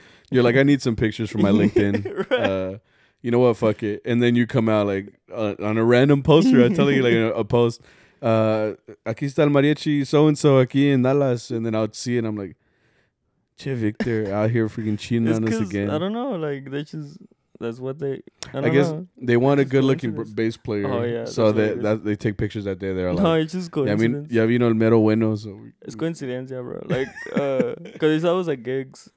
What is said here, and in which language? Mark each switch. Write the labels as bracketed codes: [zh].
[en] You're like, I need some pictures for my LinkedIn. Right. You know what, fuck it. And then you come out like on a random poster. I tell you like a post. [es] Aquí está el mariachi so-and-so aquí en Dallas. [en] And then I'll see it and I'm like, che, Victor, out here freaking cheating on us again. I don't know. Like, that's what they, I guess they want a good-looking bass player. Oh, yeah. So that they take pictures that day. They're like, no, it's just coincidence. Yeah, I mean, [es] ya vino el mero bueno. [en] So. It's coincidence, yeah, bro. Like, because it's always like gigs.